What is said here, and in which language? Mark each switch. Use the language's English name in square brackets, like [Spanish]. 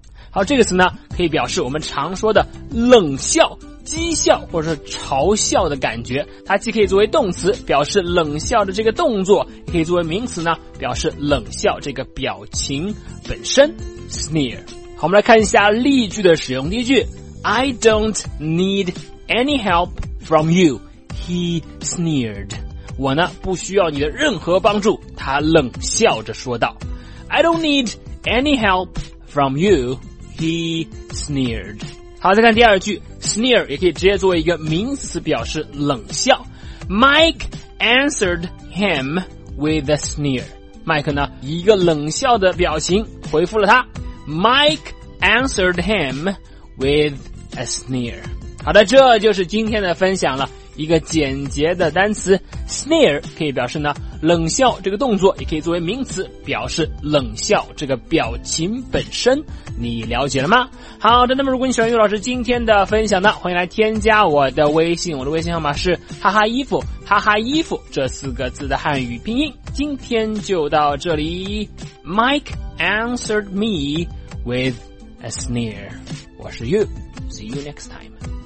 [Chinese] 好，这个词呢可以表示我们常说的冷笑、讥笑或者是嘲笑的感觉，它既可以作为动词表示冷笑的这个动作，也可以作为名词呢表示冷笑这个表情本身， Sneer。好，我们来看一下例句的使用。第一句， [English] I don't need any help from you, he sneered. [Chinese] 我呢不需要你的任何帮助，他冷笑着说道。 [English] I don't need any help from you, he sneered. [Chinese] 好，再看第二句， sneer 也可以直接作为一个名词表示冷笑。 [English] Mike answered him with a sneer. [Chinese] 麦克呢一个冷笑的表情回复了他。 [English] Mike answered him withA sneer。 [Chinese] 好的，这就是今天的分享了，一个简洁的单词 sneer 可以表示呢冷笑这个动作，也可以作为名词表示冷笑这个表情本身，你了解了吗？好的，那么如果你喜欢于老师今天的分享呢，欢迎来添加我的微信，我的微信号码是哈哈衣服，哈哈衣服这四个字的汉语拼音。今天就到这里， [English] Mike answered me with a sneer。 [Chinese] 我是 [English] You。 See you next time.